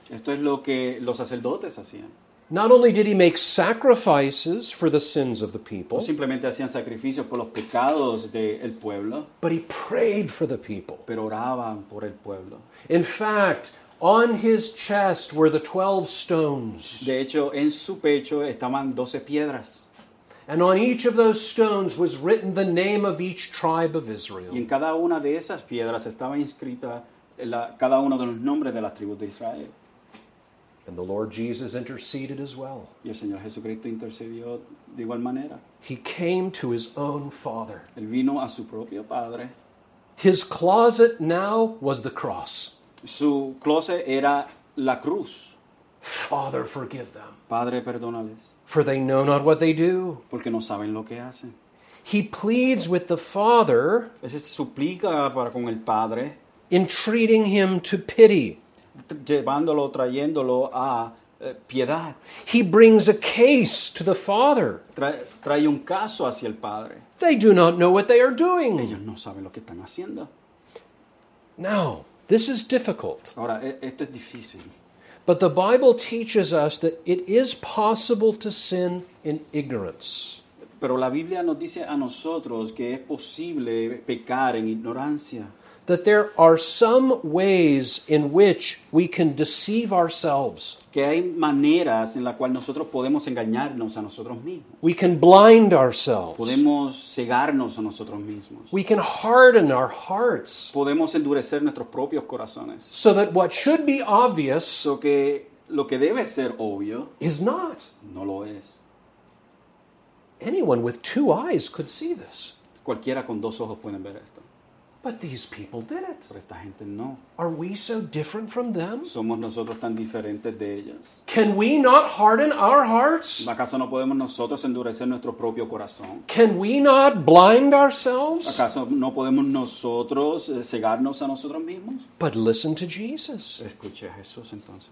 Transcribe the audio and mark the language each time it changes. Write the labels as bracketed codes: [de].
[es] Esto es lo que los sacerdotes hacían. [en] Not only did he make sacrifices for the sins of the people, [es] no simplemente hacían sacrificios por los pecados del pueblo, [en] but he prayed for the people. [es] Pero oraban por el pueblo. [en] In fact, on his chest were the 12 stones. [es] De hecho, en su pecho estaban 12 piedras. [en] And on each of those stones was written the name of each tribe of Israel. [es] Y en cada una de esas piedras estaba inscrita cada uno de los nombres de las tribus de Israel. [en] And the Lord Jesus interceded as well. [es] Y el Señor Jesucristo intercedió de igual manera. [en] He came to his own Father. [es] Él vino a su propio Padre. [en] His closet now was the cross. [es] Su closet era la cruz. [en] Father, forgive them. [es] Padre, perdónales. [en] For they know not what they do. [es] Porque no saben lo que hacen. [en] He pleads with the Father. [es] Ese suplica para con el Padre. [en] Entreating him to pity. [es] Llevándolo, trayéndolo a piedad. [en] He brings a case to the Father. [es] Trae un caso hacia el Padre. [en] They do not know what they are doing. [es] Ellos no saben lo que están haciendo. [en] Now, this is difficult. [es] Ahora, esto es difícil. [en] But the Bible teaches us that it is possible to sin in ignorance. [es] Pero la Biblia nos dice a nosotros que es posible pecar en ignorancia. [en] That there are some ways in which we can deceive ourselves. [es] Que hay maneras en la cual nosotros podemos engañarnos a nosotros mismos. [en] We can blind ourselves. [es] Podemos cegarnos a nosotros mismos. [en] We can harden our hearts. [es] Podemos endurecer nuestros propios corazones. [en] So that what should be obvious, [es] so que lo que debe ser obvio, [en] is not. [es] No lo es. [en] Anyone with two eyes could see this. [es] Cualquiera con dos ojos pueden ver esto. [en] But these people did it. [es] Pero esta gente no. [en] Are we so different from them? [es] ¿Somos nosotros tan diferentes de ellas? [en] Can we not harden our hearts? [es] ¿Acaso no podemos nosotros endurecer nuestro propio corazón? [en] Can we not blind ourselves? [es] ¿Acaso no podemos nosotros cegarnos a nosotros mismos? [en] But listen to Jesus. [es] Escuche a Jesús entonces.